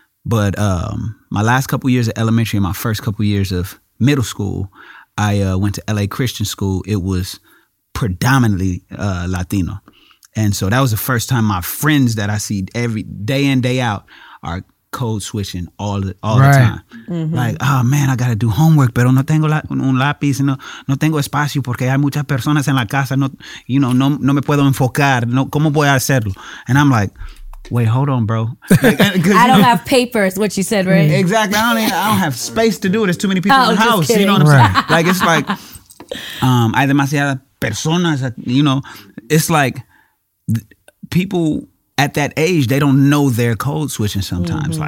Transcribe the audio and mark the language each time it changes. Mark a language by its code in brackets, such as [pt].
[en] But my last couple years of elementary and my first couple years of middle school, I went to L.A. Christian School. It was predominantly Latino. And so that was the first time my friends that I see every day in, day out are code switching all the time. Mm-hmm. Like, oh, man, I got to do homework, [es] pero no tengo un lápiz, no tengo espacio porque hay muchas personas en la casa. No, [en] you know, [es] no me puedo enfocar. No, ¿cómo voy a hacerlo? [en] And I'm like, wait, hold on, bro. I don't have papers, what you said, right? Exactly. I don't have space to do it. There's too many people in the house. Kidding. You know what I'm right. saying? Like, it's like, [es] hay demasiadas personas, [en] you know? It's like, people at that age, they don't know their code switching sometimes. Mm-hmm.